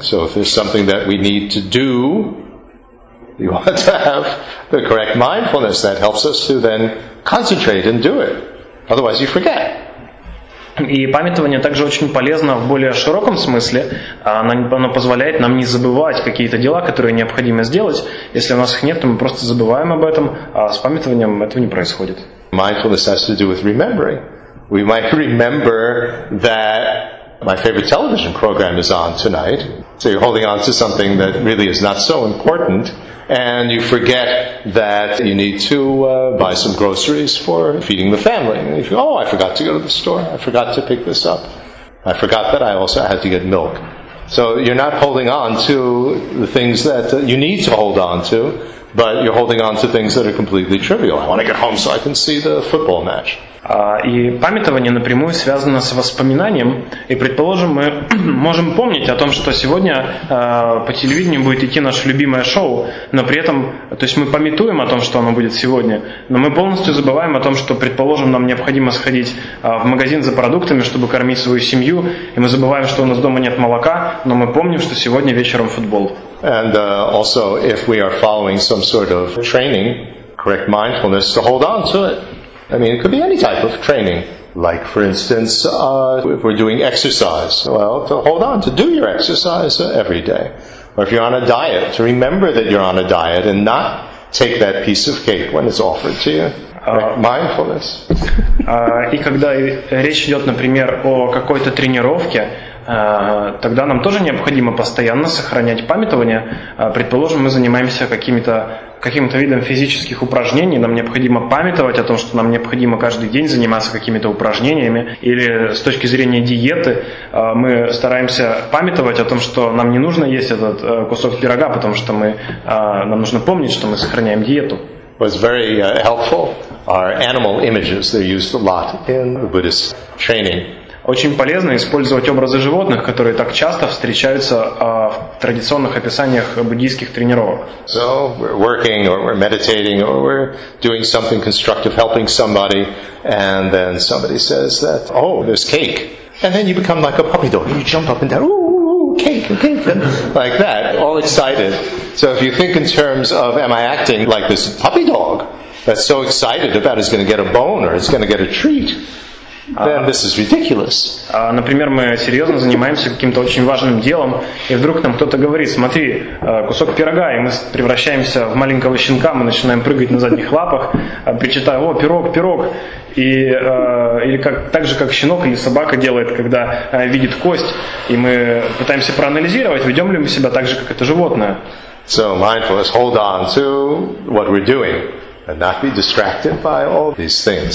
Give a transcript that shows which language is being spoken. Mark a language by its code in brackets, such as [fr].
[en] So if there's something that we need to do, you want to have the correct mindfulness that helps us to then concentrate and do it. Otherwise you forget. [ru] И памятование также очень полезно в более широком смысле. Оно позволяет нам не забывать какие-то дела, которые необходимо сделать. Если у нас их нет, то мы просто забываем об этом, а с памятованием этого не происходит. [en] Mindfulness has to do with remembering. We might remember that my favorite television program is on tonight. So you're holding on to something that really is not so important, and you forget that you need to buy some groceries for feeding the family. And you think, oh, I forgot to go to the store. I forgot to pick this up. I forgot that I also had to get milk. So you're not holding on to the things that you need to hold on to, but you're holding on to things that are completely trivial. I want to get home so I can see the football match. [ru] И памятование напрямую связано с воспоминанием. И предположим, мы можем помнить о том, что сегодня по телевидению будет идти наше любимое шоу, но при этом, то есть мы памятуем о том, что оно будет сегодня, но мы полностью забываем о том, что, предположим, нам необходимо сходить в магазин за продуктами, чтобы кормить свою семью, и мы забываем, что у нас дома нет молока, но мы помним, что сегодня вечером футбол. [en] And also, if we are following some sort of training, correct mindfulness to hold on to it. I mean, it could be any type of training. Like, for instance, if we're doing exercise, well, to hold on, to do your exercise every day. Or if you're on a diet, to remember that you're on a diet and not take that piece of cake when it's offered to you. Mindfulness. [ru] И когда речь идет, например, о какой-то тренировке, тогда нам тоже необходимо постоянно сохранять памятование. Предположим, мы занимаемся каким-то видом физических упражнений, нам необходимо памятовать о том, что нам необходимо каждый день заниматься какими-то упражнениями. Или с точки зрения диеты, мы стараемся памятовать о том, что нам не нужно есть этот кусок пирога, потому что нам нужно помнить, что мы сохраняем диету. [en] Was very helpful. Our animal images, they're used a lot in the Buddhist training. [ru] Очень полезно использовать образы животных, которые так часто встречаются в традиционных описаниях буддийских тренировок. [en] So we're working, or we're meditating, or we're doing something constructive, helping somebody, and then somebody says that, oh, there's cake, and then you become like a puppy dog, you jump up and down, ooh, cake, like that, all excited. So if you think in terms of, am I acting like this puppy dog that's so excited about it's going to get a bone or it's going to get a treat? Then this is ridiculous. [ru] Например, мы серьезно занимаемся каким-то очень важным делом, и вдруг нам кто-то говорит: смотри, кусок пирога, и мы превращаемся в маленького щенка, мы начинаем прыгать на задних лапах, причитая: о, пирог, и так же, как щенок или собака делает, когда видит кость, и мы пытаемся проанализировать, ведем ли мы себя так же, как это животное. [en] So mindfulness, hold on to what we're doing. And not be distracted by all these things.